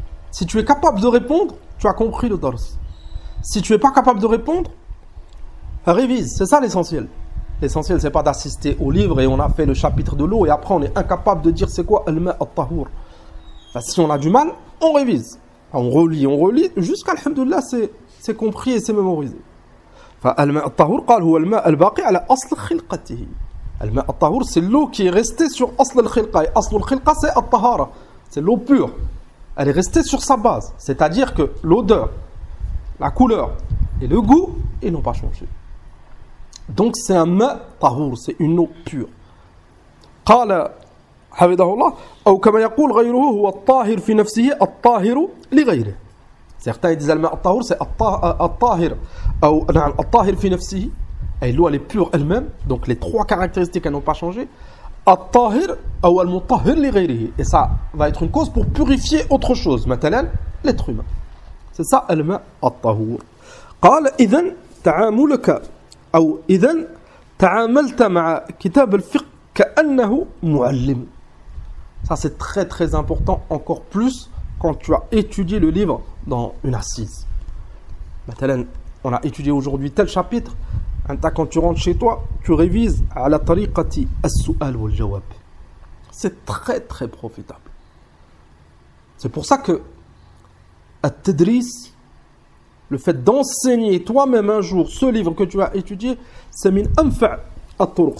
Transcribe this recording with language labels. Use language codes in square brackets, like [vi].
[fr] Si tu es capable de répondre, tu as compris le dors. Si tu es pas capable de répondre, révise, c'est ça l'essentiel. L'essentiel c'est pas d'assister au livre et on a fait le chapitre de l'eau et après on est incapable de dire c'est quoi [ar] الماء الطهور. [fr] Si on a du mal, on révise. On relit, jusqu'à Alhamdoulilah, c'est compris et c'est mémorisé. [ar] Al-ma' al-tahour, قال, هو الماء الباقي على أصل خلقته. [fr] Al-ma' al-tahour, c'est l'eau qui est restée sur أصل الخلقة. Et أصل الخلقة, c'est al-tahara. C'est l'eau pure. Elle est restée sur sa base. C'est-à-dire que l'odeur, la couleur et le goût, ils n'ont pas changé. Donc, c'est un ma' al-tahour, c'est une eau pure. [ar] قال حفظه الله أو كما يقول غيره هو الطاهر في نفسه الطاهر لغيره. [fr] Certains disent الماء الطهور c'est [ar] الطاهر أو نعم الطاهر في نفسه [fr] أي l'eau elle est pure elle-même, donc les trois caractéristiques elles n'ont pas changé. [ar] الطاهر أو المطهر لغيره, [fr] et ça va être une cause pour purifier autre chose, مثلا l'être humain. C'est ça الماء الطهور. [ar] قال إذن تعاملك أو إذن تعاملت مع كتاب الفقه كأنه معلم. [fr] Ça, c'est très, très important, encore plus quand tu as étudié le livre dans une assise. Mathalène, on a étudié aujourd'hui tel chapitre. Quand tu rentres chez toi, tu révises « [ar] Ala tariqati as-su'al wal-jawab ». [fr] C'est très, très profitable. C'est pour ça que « At-tadris », le fait d'enseigner toi-même un jour ce livre que tu as étudié, « C'est [ar] min anfa' at-turuq ».